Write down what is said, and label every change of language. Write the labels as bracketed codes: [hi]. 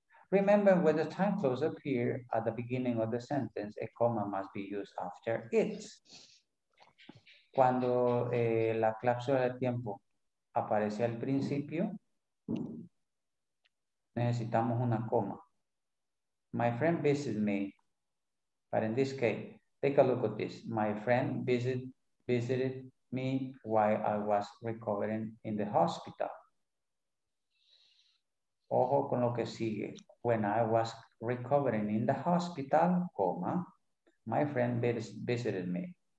[en] Remember, when the time close appear at the beginning of the sentence, a comma must be used after it. [es] Cuando la cláusula de tiempo aparece al principio, necesitamos una coma. [en] My friend visits me. But in this case, take a look at this. My friend visited me while I was recovering in the hospital. [es] Ojo con lo que sigue. [en] When I was recovering in the hospital, coma, my friend visited me.